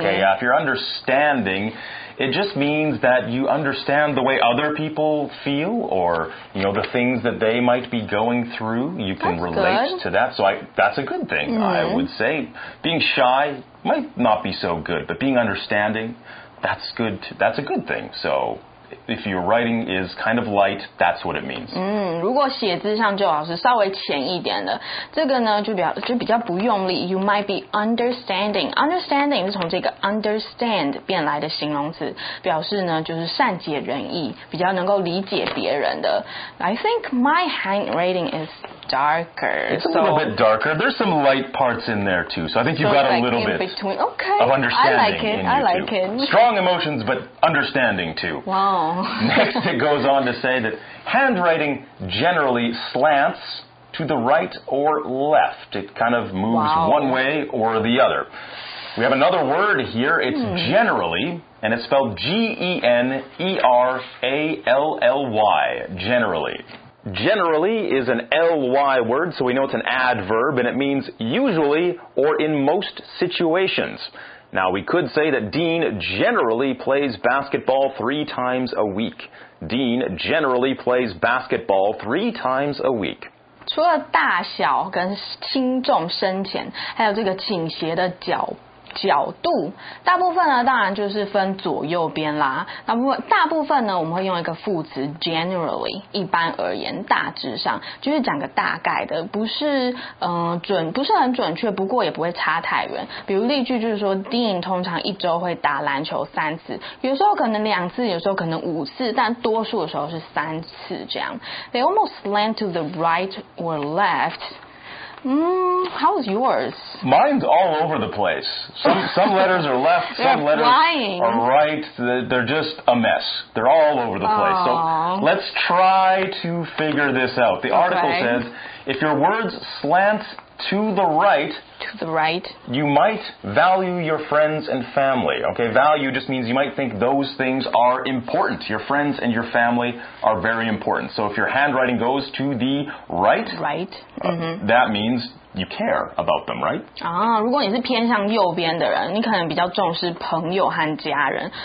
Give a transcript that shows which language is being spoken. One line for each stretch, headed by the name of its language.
English: Okay, yeah, if you're understanding, it just means that you understand the way other people feel or, you know, the things that they might be going through. You can that's relate good. To that. So that's a good thing, I would say. Being shy might not be so good, but being understanding, that's good. That's a good thing. So if your writing is kind of light, that's what it means.
Chinese: 如果写字像Joe老师稍微浅一点的，这个呢就比较不用力。
English: You might be understanding. Understanding
Chinese: 是从这个 understand 变来的形容词，表示呢就是善解人意，比较能够理解别人的。
English: I think my handwriting is darker. It's a little bit darker. There's some light parts in there too. So I think you've got a little bit of understanding. I like it. I like it. Strong emotions, but understanding too. Wow. Next, it goes on to say that handwriting generally slants to the right or left. It kind of moves one way or the other. We have another word here. It's generally, and it's spelled G-E-N-E-R-A-L-L-Y, generally. Generally is an L-Y word, so we know it's an adverb, and it means usually or in most situations. Now, we could say that Dean generally plays basketball 3 times a week. Dean generally plays basketball 3 times a week.
Chinese: 除了大小跟轻重深浅，还有这个倾斜的角度，大部分呢，当然就是分左右边啦。大部分呢，我们会用一个副词 generally， 一般而言，大致上，就是讲个大概的，不是准，不是很准确，不过也不会差太远。比如例句就是说 ，Dean 通常一周会打篮球3次，有时候可能2次，有时候可能5次，但多数的时候是3次这样。
English: They almost slant to the right or left. How's yours? Mine's all over the place. Some letters are left, some letters are right. They're just a mess. They're all over the place. So let's try to figure this out. The article says, if your words slant to the right, you might value your friends and family. Okay, value just means you might think those things are important. Your friends and your family are very important. So if your handwriting goes to the right, that means you care about them, right?
Chinese: 如果你是偏向右边的人，你可能比较重视朋友和家人。